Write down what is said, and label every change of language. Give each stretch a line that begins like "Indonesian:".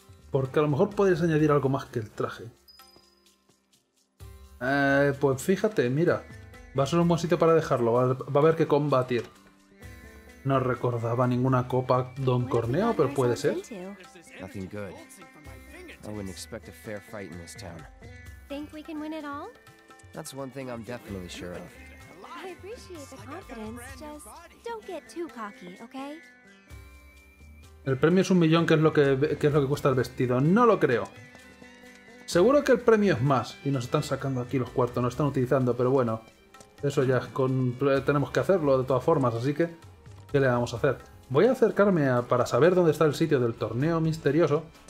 Spanish: Porque a lo mejor podrías añadir algo más que el traje. Pues fíjate, mira. Va a ser un buen sitio para dejarlo. Va a haber que combatir. No recordaba ninguna copa Don Corneo, pero puede ser.
English: Nothing good. I wouldn't expect a fair fight in this town. Think we can win it all? That's one thing I'm definitely sure of. I appreciate the confidence, just don't get too cocky, okay?
Spanish: El premio es un millón, que es lo que cuesta el vestido. No lo creo. Seguro que el premio es más y nos están sacando aquí los cuartos, nos están utilizando, pero bueno, eso ya es tenemos que hacerlo de todas formas, así que ¿qué le vamos a hacer? Voy a acercarme para saber dónde está el sitio del torneo misterioso.